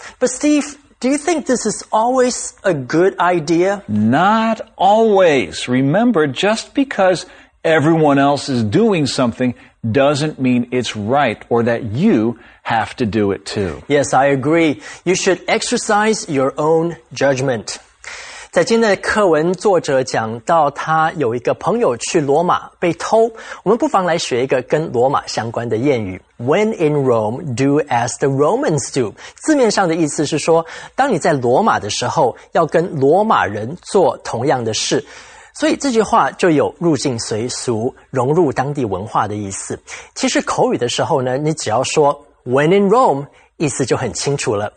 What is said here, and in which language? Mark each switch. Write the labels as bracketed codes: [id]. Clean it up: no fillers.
[en] But Steve, do you think this is always a good idea? Not always. Remember, just because everyone else is doing something doesn't mean it's right or that you have to do it too. Yes, I agree. You should exercise your own judgment. [zh] 在今天的课文作者讲到他有一个朋友去罗马被偷，我们不妨来学一个跟罗马相关的谚语。 [en] When in Rome, do as the Romans do. [zh] 字面上的意思是说，当你在罗马的时候，要跟罗马人做同样的事。所以这句话就有入境随俗、融入当地文化的意思。其实口语的时候呢，你只要说 [en] When in Rome, [zh] 意思就很清楚了。